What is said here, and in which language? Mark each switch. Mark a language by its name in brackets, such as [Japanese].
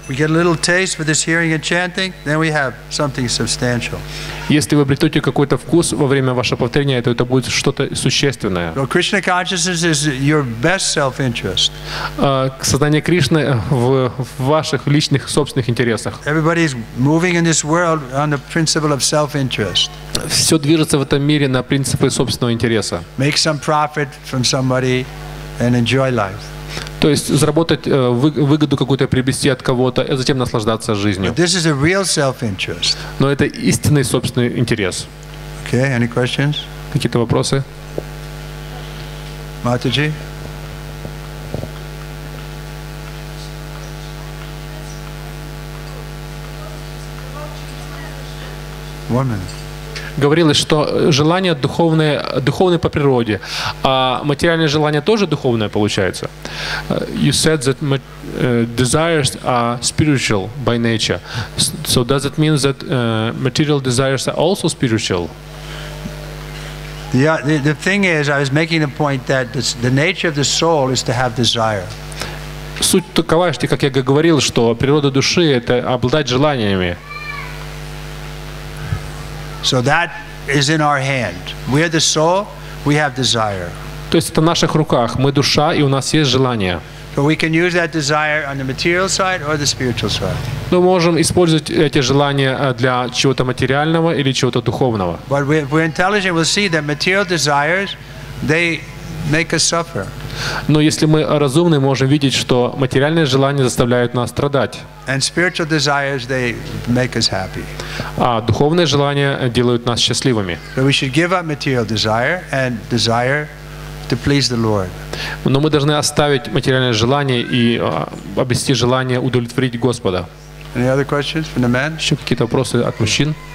[English] We get a little taste with this hearing and chanting, then we have something substantial. [Russian] Если вы обретете какой-то вкус во время вашего повторения, то это будет что-то существенное. [English] So Krishna consciousness is your best self-interest. [Russian] Сознание Кришны в ваших личных собственных интересах. [English] Everybody is moving in this world on the principle of self-interest. [Russian] Все движется в этом мире на принципы собственного интереса. [English] Make some profit from somebody and enjoy life. [Russian] То есть заработать выгоду какую-то, приобрести от кого-то, а затем наслаждаться жизнью. [English] This is a real self-interest. [Russian] Но это истинный собственный интерес. [English] Okay, any questions? [Russian] Какие-то вопросы? Матаджи? [English] One minute. [Russian] Говорилось, что желания духовные, духовные по природе, а материальные желания тоже духовные получается. [English] You said that desires are spiritual by nature. So does it mean that material desires are also spiritual? Yeah, the thing is, I was making the point that the nature of the soul is to have desire. [Russian] Суть такова, что, как я говорил, что природа души – это обладать желаниями. [English] So that is in our hand. We are the soul, we have desire. [Russian] То есть это в наших руках. Мы душа, и у нас есть желание. [English] So we can use that desire on the material side or the spiritual side. [Russian] Мы можем использовать эти желания для чего-то материального или чего-то духовного. [English] But if we're intelligent, we'll see that material desires, they make us suffer. [Russian] Но если мы разумны, можем видеть, что материальные желания заставляют нас страдать. [English] And spiritual desires, they make us happy. [Russian] А духовные желания делают нас счастливыми. [English] So we should give up material desire and desire to please the Lord. [Russian] Но мы должны оставить материальные желания и обрести желание удовлетворить Господа. [English] Any other questions from the men? [Russian] Еще какие-то вопросы от мужчин?